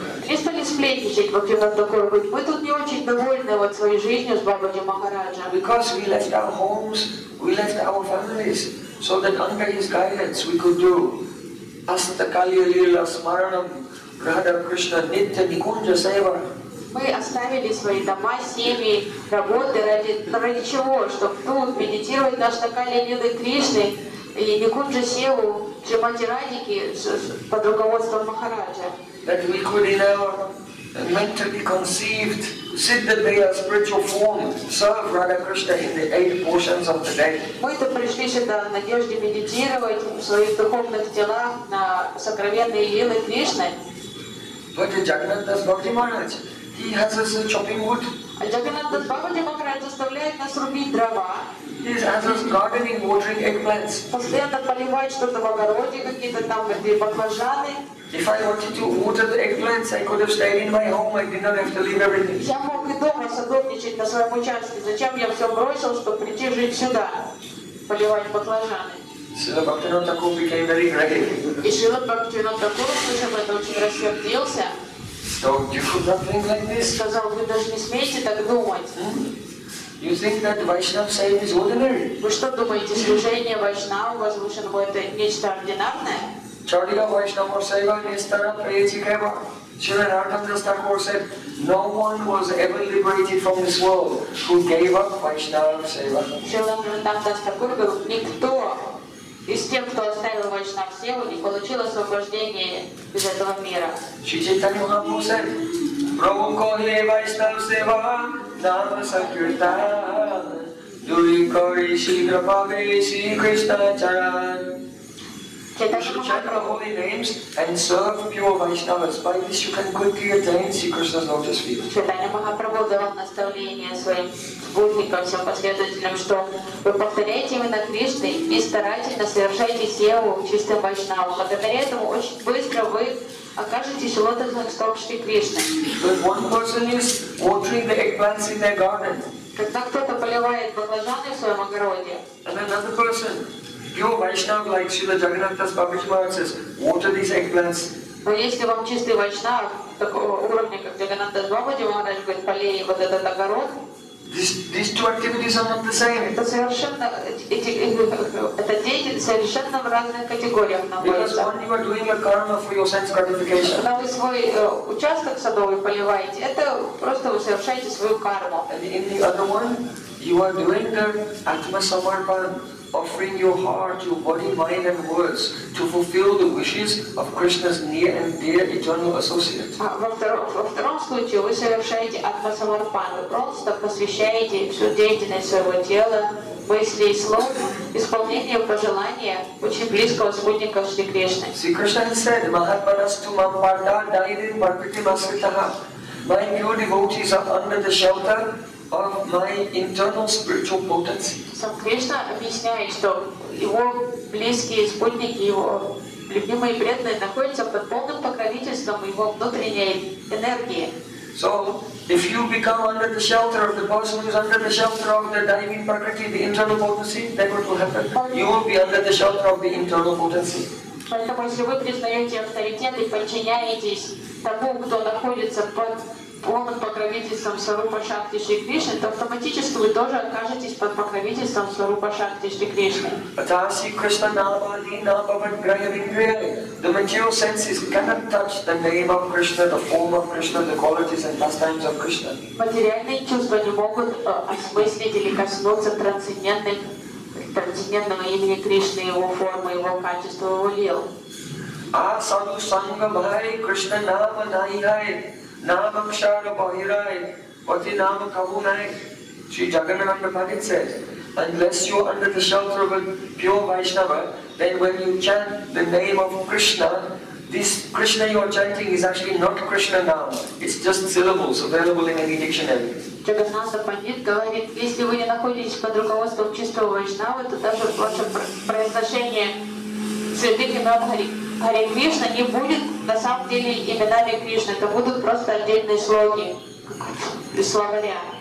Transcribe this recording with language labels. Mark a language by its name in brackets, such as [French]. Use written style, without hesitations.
[Russian] И стали сплетничать Бхактивинода Такура, говорит, мы тут не очень довольны вот своей жизнью с Бабаджи Махараджа. [English] Because we left our homes, we left our families, so that under his guidance we could do Asata Kaliya Lila Smaranam Radha Krishna Nitya Nikunja Seva. [Russian] Мы оставили свои дома, семьи, работы ради чего? Чтобы тут медитировать на Асата Калия Лилы Кришны и Никунджа Севу. [English] That we could in our mentally conceived Siddha Deya spiritual form serve Radha Krishna in the eight portions of the day. [Russian] Мы это пришли сюда в надежде медитировать в своих духовных телах на сокровенные лилы Кришны. [English] But Jagannatha Das Babaji Maharaj, he has us a chopping wood. [Russian] А Jagannatha Das Babaji Maharaj заставляет нас рубить дрова. [English] He has us gardening, watering eggplants. [Russian] Постоянно поливать что-то в огороде, какие-то там баклажаны. [English] If I wanted to water the eggplants, I could have stayed in my home. I did not have to leave everything. [Russian] Я мог и дома садовничать на своем участке. Зачем я все бросил, чтобы прийти жить сюда, поливать баклажаны? [English] So Bhaktivinoda Thakur became very angry. [Russian] И Шрила Бхактивинода Такур, слушав это, очень рассердился. [English] So you could not think like this. [Russian] Сказал, вы даже не смеете так думать. [English] You think that Vaishnava saying is ordinary? [Russian] Вы что думаете, служение Вайшнава возвышенного это нечто ординарное? [Sanskrit] Чарига Вайшнава Сайва Нистара Прайтикева. [English] Srila Jagannatha Das Thakur said, no one was ever liberated from this world who gave up Vaishnava Seva. [Russian] Srila Jagannatha Das Thakur говорит, никто из тех, кто оставил Вайшнава Севу, не получил освобождение из этого мира. [Sanskrit] Шри Чайтанья Махапрабху [English] said, [Sanskrit] Прабху Коле Вайшнава Сева, Dharma Sankirtan, Duri Kari Shidra Pave Shri Krishna Charan. [English] Chant the holy names and serve pure Vaishnavas. By this you can quickly attain Shri Krishna's lotus feet. [Russian] Chaitanya Mahaprabhu давал наставление своим спутникам, всем последователям, что вы повторяете именно Кришны и старательно совершаете севу чистым Вайшнавам. Благодаря этому очень быстро вы окажетесь лотосных стоп Шри Кришны. [English] But one person is watering the eggplants in their garden. [Russian] Когда кто-то поливает баклажаны в своем огороде. [English] And another person, pure Vaishnava like Srila Jagannatha Das Babaji Maharaj says, water these eggplants. [Russian] Но если вам чистый Вайшнав такого уровня, как Jagannatha Das Babaji Maharaj, говорит, полей вот этот огород. [English] These two activities are not the same. [Russian] Это совершенно эти это совершенно в разных категориях находятся. [English] Because one you are doing a karma for your sense gratification. [Russian] Когда вы свой участок садовый поливаете, это просто вы совершаете свою карму. [English] And in the other one, you are doing the atma samarpan, offering your heart, your body, mind, and words to fulfill the wishes of Krishna's near and dear eternal associate. [Russian] Во втором случае вы совершаете атма самарпан, просто посвящаете всю деятельность своего тела, мыслей и слов исполнению пожелания очень близкого спутника Шри Кришны. [English] Sri Krishna said, [Sanskrit] "Mahaparastu mam parda dairin parpiti masritaha." [English] My pure devotees are under the shelter of my internal spiritual potency. [Russian] Сам Кришна объясняет, что его близкие спутники, его любимые преданные находятся под полным покровительством его внутренней энергии. [English] So, if you become under the shelter of the person who is under the shelter of the divine prakriti, the internal potency, then what will happen? You will be under the shelter of the internal potency. [Russian] Поэтому, если вы признаете авторитет и подчиняетесь тому, кто находится под полным покровительством Сварупа Шакти Шри Кришны, то автоматически вы тоже окажетесь под покровительством Сварупа Шакти Шри Кришны. [Sanskrit] Атаси Кришна Навади Набаван Грая Вингрия. [English] The material senses cannot touch the name of Krishna, the form of Krishna, the qualities and pastimes of Krishna. [Russian] Материальные чувства не могут осмыслить или коснуться трансцендентного имени Кришны, его формы, его качества, его лил. [Sanskrit] А саду санга бхай Кришна Нава Найхай. Nāvam śāra bahirāy, pati nāma kahunāy. [English] Śrī Jagannatha Bhagat says, unless you are under the shelter of a pure Vaishnava, then when you chant the name of Krishna, this Krishna you are chanting is actually not Krishna now. It's just syllables available in any dictionary. [Russian] Jagannatha Pandit говорит, если вы не находитесь под руководством чистого Вайшнава, то даже ваше произношение святых имен Хари Харе Кришна не будет на самом деле именами Кришны, это будут просто отдельные слоги из словаря.